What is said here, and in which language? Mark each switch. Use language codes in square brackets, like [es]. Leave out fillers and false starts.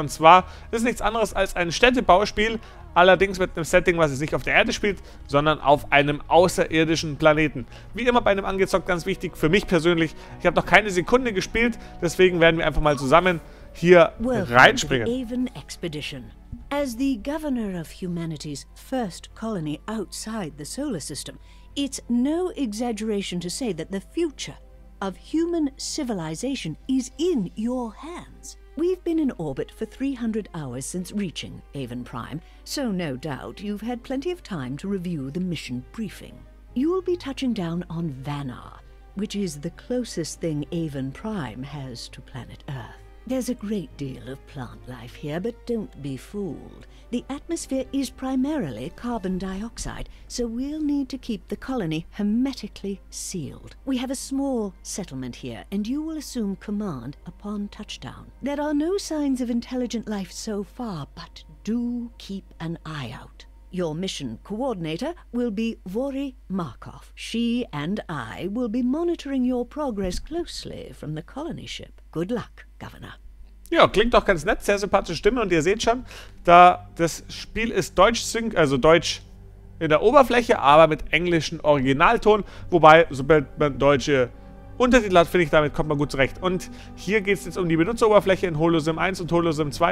[de] Und zwar ist es nichts anderes als ein Städtebauspiel, allerdings mit einem Setting, was es nicht auf der Erde spielt, sondern auf einem außerirdischen Planeten. Wie immer bei einem Angezockt ganz wichtig, für mich persönlich, ich habe noch keine Sekunde gespielt, deswegen werden wir einfach mal zusammen hier reinspringen. [en] Avon Expedition. As the governor of humanity's first colony outside the solar system, it's no exaggeration to say that the future of human civilization is in your hands. We've been in orbit for 300 hours since reaching Avon Prime, so no doubt you've had plenty of time to review the mission briefing. You'll be touching down on Vanar, which is the closest thing Avon Prime has to planet Earth. There's a great deal of plant life here, but don't be fooled. The atmosphere is primarily carbon dioxide, so we'll need to keep the colony hermetically sealed. We have a small settlement here, and you will assume command upon touchdown. There are no signs of intelligent life so far, but do keep an eye out. Your mission coordinator will be Vori Markov. She and I will be monitoring your progress closely from the colony ship. Good luck, Governor. [de] Ja, klingt doch ganz nett, sehr sympathische Stimme, und ihr seht schon, da das Spiel ist deutsch-sync, also deutsch in der Oberfläche, aber mit englischem Originalton, wobei, sobald man deutsche Untertitel hat, finde ich, damit kommt man gut zurecht. Und hier geht es jetzt um die Benutzeroberfläche in HoloSim 1 und HoloSim 2.